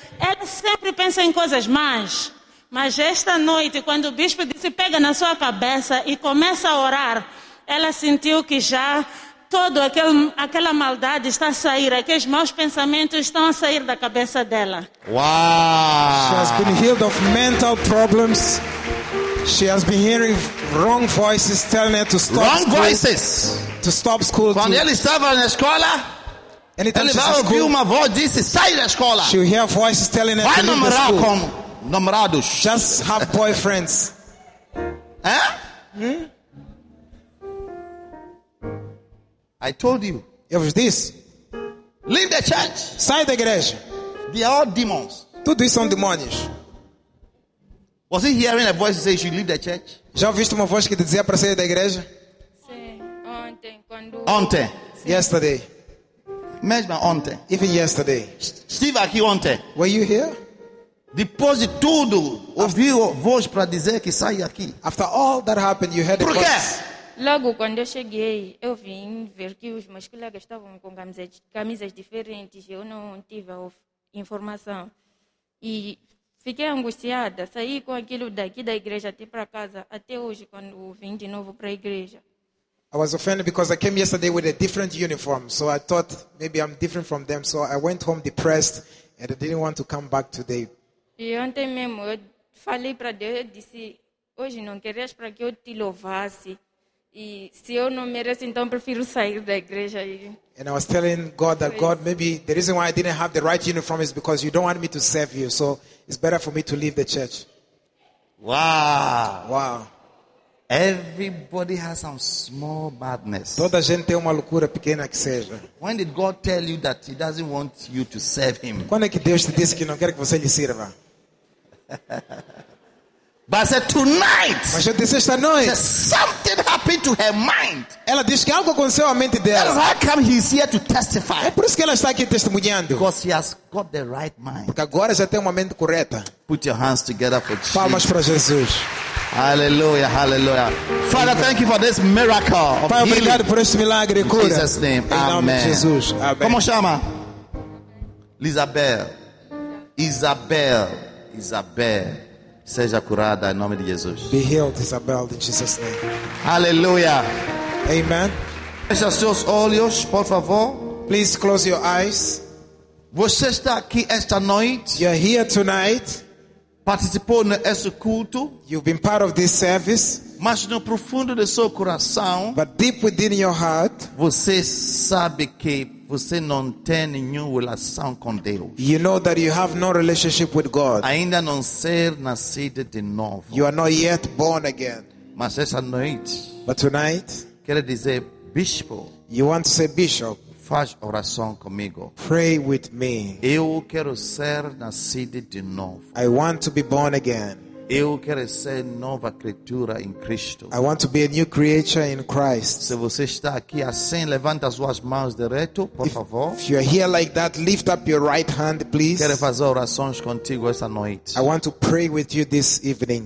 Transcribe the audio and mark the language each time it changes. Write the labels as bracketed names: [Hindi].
[Portuguese] Ela sempre pensa em coisas más. Mas esta noite, quando o bispo disse, pega na sua cabeça e começa a orar, ela sentiu que já toda aquela maldade está a sair, aqueles maus pensamentos estão a sair da cabeça dela. [English] Wow. She has been healed of mental problems. She has been hearing wrong voices telling her to stop wrong school. Wrong voices. To stop school. [Portuguese] Quando ela estava na escola, [English] anytime [Portuguese] ela [English] she's school, [Portuguese] uma voz disse, sai da escola. [English] She hear voices telling her [Portuguese] vai [English] to leave the school. [Portuguese] Com namorados. [English] Just have boyfriends. Eh? Hmm? I told you. It was this. Leave the church. [Portuguese] Sai da igreja. [English] They are all demons. [Portuguese] Tudo isso são demônios. [English] Was he hearing a voice say you should leave the church? [Portuguese] Já ouviste uma voz que dizia para sair da igreja? Sim. Ontem. Quando... Ontem. Sim. Yesterday. Imagine ontem. [English] Even yesterday. [Portuguese] Steve aqui ontem. [English] Were you here? [Portuguese] Depois de tudo, ouviu a voz para dizer que sai aqui. [English] After all that happened, you heard [Portuguese] por quê? [English] A voice. [Portuguese] Logo quando eu cheguei, eu vim ver que os meus colegas estavam com camisas diferentes. Eu não tive a informação. E fiquei angustiada. Saí com aquilo daqui da igreja até para casa. Até hoje, quando vim de novo para a igreja. [English] I was offended because I came yesterday with a different uniform. So I thought, maybe I'm different from them. So I went home depressed and I didn't want to come back today. [Portuguese] E ontem mesmo, eu falei para Deus, eu disse, hoje não querias para que eu te louvasse. E se eu não mereço, então prefiro sair da igreja. [English] And I was telling God that God, maybe the reason why I didn't have the right uniform is because you don't want me to serve you, so it's better for me to leave the church. Wow. Wow. Everybody has some small madness. [Portuguese] Toda gente tem uma loucura pequena que seja. [English] When did God tell you that he doesn't want you to serve him? [Portuguese] Quando é que Deus te disse que não quer que você lhe sirva? [English] But I said tonight. [Portuguese] Mas eu disse esta noite. [English] Something happened to her mind. [Portuguese] Ela disse que algo aconteceu à mente dela. [English] That's how come he's here to testify. [Portuguese] É por isso que ela está aqui testemunhando. [English] Because he has got the right mind. [Portuguese] Porque agora já tem uma mente correta. [English] Put your hands together for Jesus. [Portuguese] Palmas para Jesus. [English] Hallelujah, hallelujah. Father, thank you for this miracle of [Portuguese] Pai, obrigado por este milagre. [English] In Jesus' name, amen. [Portuguese] Jesus. Amen. Como chama? Isabel. Isabel. Isabel. Seja curada em nome de Jesus. [English] Be healed, Isabel, in Jesus' name. Hallelujah. Amen. [Portuguese] Feche os seus olhos, por favor. [English] Please close your eyes. [Portuguese] Você está aqui esta noite. [English] You're here tonight. [Portuguese] Participou nesse culto. [English] You've been part of this service. [Portuguese] Mas no profundo do seu coração. [English] But deep within your heart. [Portuguese] Você sabe que você não tem nenhuma relação com Deus. [English] You know that you have no relationship with God. [Portuguese] Ainda não ser nascido de novo. [English] You are not yet born again. [Portuguese] Mas essa noite. [English] But tonight. [Portuguese] Quero dizer, bispo. [English] You want to say, bishop. [Portuguese] Faz oração comigo. [English] Pray with me. [Portuguese] Eu quero ser nascido de novo. [English] I want to be born again. [Portuguese] Eu quero ser nova criatura em Cristo. [English] I want to be a new creature in Christ. [Portuguese] Se você está aqui assim, levanta suas mãos direto, por favor. [English] If you are here like that, lift up your right hand, please. [Portuguese] Quero fazer orações contigo esta noite. [English] I want to pray with you this evening.